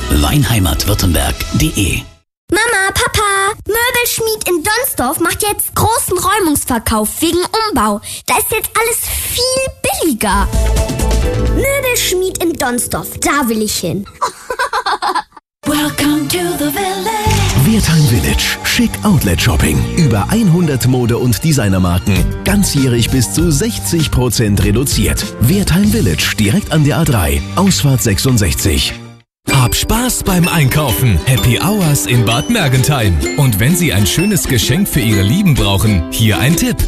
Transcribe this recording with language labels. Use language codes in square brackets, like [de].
[de] Weinheimatwürttemberg.de. Mama, Papa, Möbelschmied in Donsdorf macht jetzt großen Räumungsverkauf wegen Umbau. Da ist jetzt alles viel billiger. Möbelschmied in Donsdorf, da will ich hin. [en] Welcome to the village. [de] Wertheim Village, schick Outlet Shopping. Über 100 Mode- und Designermarken. Ganzjährig bis zu 60% reduziert. Wertheim Village, direkt an der A3, Ausfahrt 66. Hab Spaß beim Einkaufen. Happy Hours in Bad Mergentheim. Und wenn Sie ein schönes Geschenk für Ihre Lieben brauchen, hier ein Tipp.